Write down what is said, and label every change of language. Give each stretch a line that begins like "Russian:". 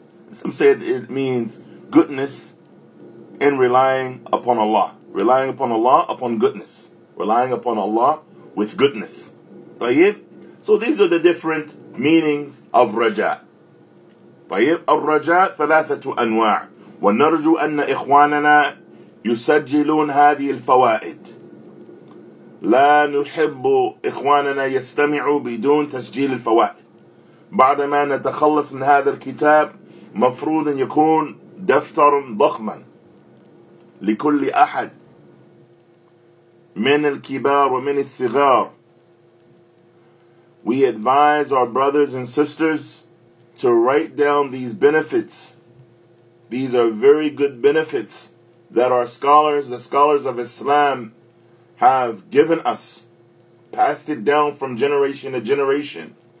English: Some say it means goodness in relying upon Allah. Relying upon Allah, upon goodness. Relying upon Allah with goodness.
Arabic: طيب.
English: So these are the different meanings of رجاء.
Arabic: طيب. الرجاء ثلاثة أنواع. ونرجو أن إخواننا يسجلون هذه الفوائد. لا نحب إخواننا يستمعوا بدون تسجيل الفوائد. بعدما نتخلص من هذا الكتاب مفروض أن يكون دفتر ضخما لكل أحد من الكبار ومن الصغار.
English: We advise our brothers and sisters to write down these benefits. These are very good benefits that our scholars, the scholars of Islam, have given us, passed it down from generation to generation.